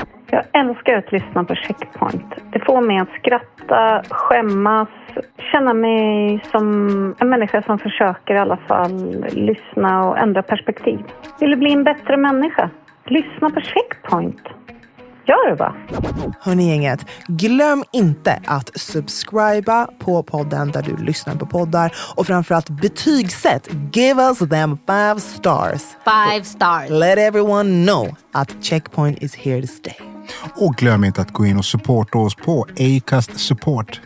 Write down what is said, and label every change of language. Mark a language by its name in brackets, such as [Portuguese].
[Swedish] Jag älskar att lyssna på Checkpoint. Det får mig att skratta, skämmas, känna mig som en människa som försöker i alla fall lyssna och ändra perspektiv. Vill du bli en bättre människa? Lyssna på Checkpoint. Gör det va? Hörrni gänget, glöm inte att subscriba på podden där du lyssnar på poddar. Och framförallt betygsätt. [English] Give us them 5 stars. 5 stars. Let everyone know att Checkpoint is here to stay. [Swedish] Och glöm inte att gå in och supporta oss på Acast Support.